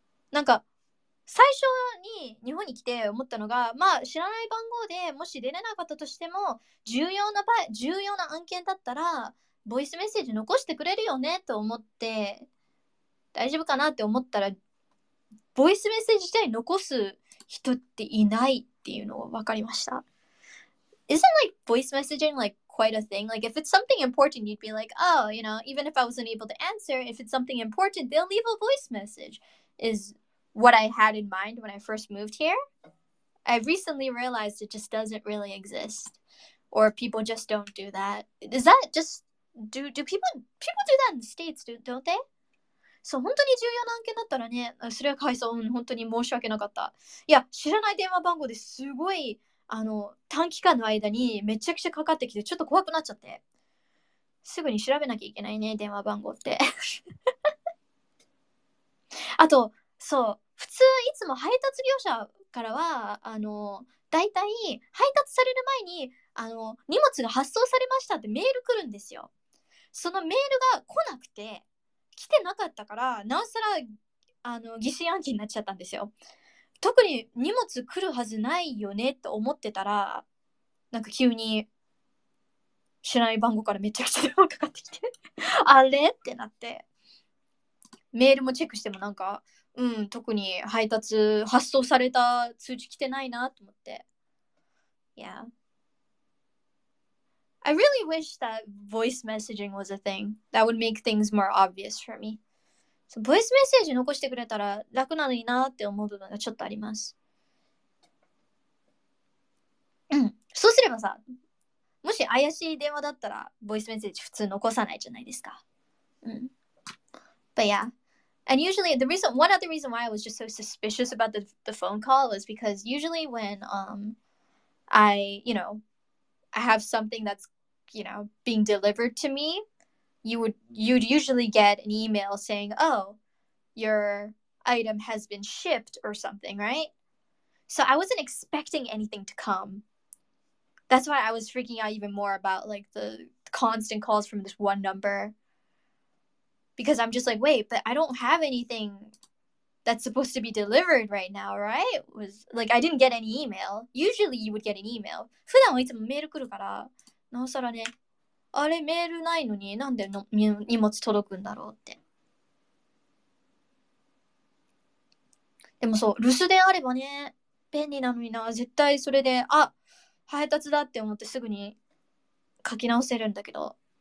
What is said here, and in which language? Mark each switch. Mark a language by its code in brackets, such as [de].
[ja] なんか最初に日本に来て思ったのが、まあ知らない番号でもし出れなかったとしても重要な案件だったらボイスメッセージ残してくれるよねと思って大丈夫かなって思ったら、ボイスメッセージ自体残す人っていないっていうのが分かりました。 [en] Isn't like voice messaging like quite a thing? Like if it's something important you'd be like, oh, you know, even if I wasn't able to answer, if it's something important they'll leave a voice message is what I had in mind when I first moved here. I recently realized it just doesn't really exist, or people just don't do that. Is that just do people do that in the States, don't they? [ja] そう、本当に重要な案件だったらね、それはかわいそう、本当に申し訳なかった。いや、知らない電話番号ですごい、あの短期間の間にめちゃくちゃかかってきてちょっと怖くなっちゃって、すぐに調べなきゃいけないね電話番号って。あと、そう、普通いつも配達業者からはあのだいたい配達される前にあの荷物が発送されましたってメール来るんですよ。そのメールが来なくて、来てなかったからなおさらあの疑心暗鬼になっちゃったんですよ。特に荷物来るはずないよねと思ってたら、なんか急に知らない番号からめちゃくちゃ電話かかってきて、あれってなって、メールもチェックしてもなんか、うん、特に配達発送された通知来てないなと思って。 [en] Yeah, I really wish that voice messaging was a thing. That would make things more obvious for me. [ja] So, ボイスメッセージ残してくれたら楽なのになって思う部分がちょっとあります。うん、そうすればさ、もし怪しい電話だったらボイスメッセージ普通残さないじゃないですか。 [en] うん、 But yeahAnd usually, one other reason why I was just so suspicious about the phone call is because usually when I, you know, I have something that's, you know, being delivered to me, you'd usually get an email saying, oh, your item has been shipped or something, right? So I wasn't expecting anything to come. That's why I was freaking out even more about, like, the constant calls from this one number. Because I'm just like, wait, but I don't have anything that's supposed to be delivered right now, right? Was, like, I didn't get any email. Usually you would get an email. [ja] 普段はいつもメール来るから、なおさらね、あれメールないのになんで荷物届くんだろうって。でもそう、留守電あればね、便利なのにな、絶対それで、あ、配達だって思ってすぐに書き直せるんだけど。